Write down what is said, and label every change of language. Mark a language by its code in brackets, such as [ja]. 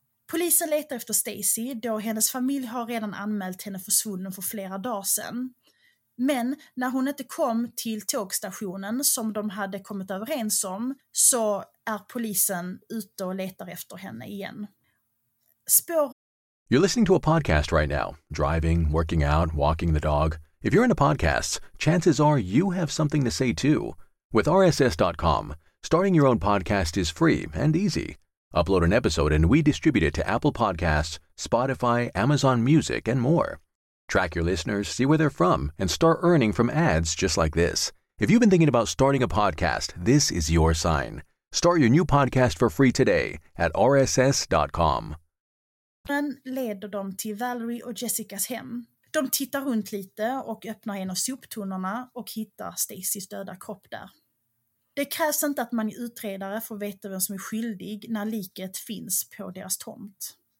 [sv] Polisen letar efter Stacy då hennes familj har redan anmält henne försvunnen för flera dagar sedan. Men när hon inte kom till tågstationen som de hade kommit överens om så är polisen ute och letar efter henne igen. Spår. [en] You're listening to a podcast right now. Driving, working out, walking the dog. If you're into podcasts, chances are you have something to say too. With RSS.com, starting your own podcast is free and easy. Upload an episode and we distribute it to Apple Podcasts, Spotify, Amazon Music, and more. Track your listeners, see where they're from, and start earning from ads just like this. If you've been thinking about starting a podcast, this is your sign. Start your new podcast for free today at rss.com. [sv] Den leder dem till Valerie och Jessicas hem. De tittar runt lite och öppnar en av soptunnorna och hittar Stacys döda kropp där. Det krävs inte att man är utredare för att veta vem som är skyldig när liket finns på deras tomt.